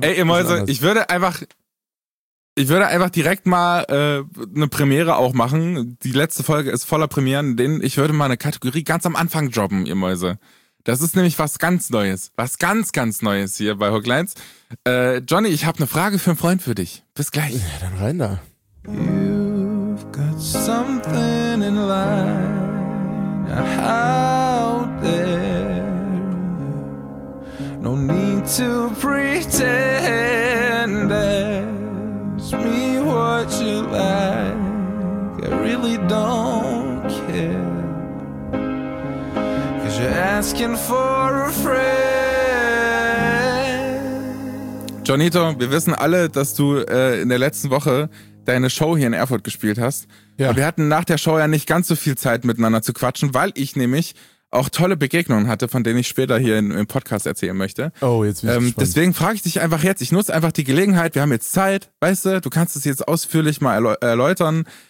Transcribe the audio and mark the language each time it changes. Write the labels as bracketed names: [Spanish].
[German] Ey, ihr Mäuse, ich würde einfach... Ich würde einfach direkt mal eine Premiere auch machen. Die letzte Folge ist voller Premieren, denn ich würde mal eine Kategorie ganz am Anfang droppen, ihr Mäuse. Das ist nämlich was ganz Neues. Was ganz, ganz Neues hier bei Hooklines. Johnny, ich habe eine Frage für einen Freund für dich. Bis gleich. Ja, dann rein da. [English] You've got something in line. Out there. No need to pretend it's me what you like. I really don't care. You're asking for a friend. [German] Johnito, wir wissen alle, dass du in der letzten Woche deine Show hier in Erfurt gespielt hast. Ja. Und wir hatten nach der Show ja nicht ganz so viel Zeit miteinander zu quatschen, weil ich nämlich auch tolle Begegnungen hatte, von denen ich später hier im Podcast erzählen möchte. Oh, jetzt bin ich gespannt. Deswegen frage ich dich einfach jetzt, ich nutze einfach die Gelegenheit, wir haben jetzt Zeit, weißt du, du kannst es jetzt ausführlich mal erläutern.